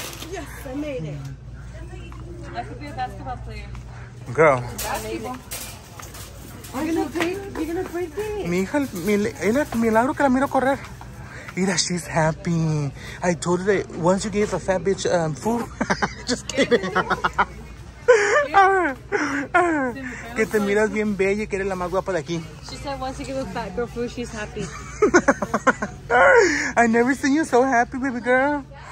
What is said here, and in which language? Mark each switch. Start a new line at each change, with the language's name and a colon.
English: Yes, I made it. I could be a basketball player. Girl. Basketball. You're gonna break it.
Spanish: Mi hija, milagro que la miro correr. Mira,
English: she's happy. I told her that once you gave the fat bitch food. Just kidding.
Spanish: Que te miras bien bella y que eres la más guapa de aquí.
English: She said once you give a fat girl food, she's happy. I never seen you so happy, baby girl.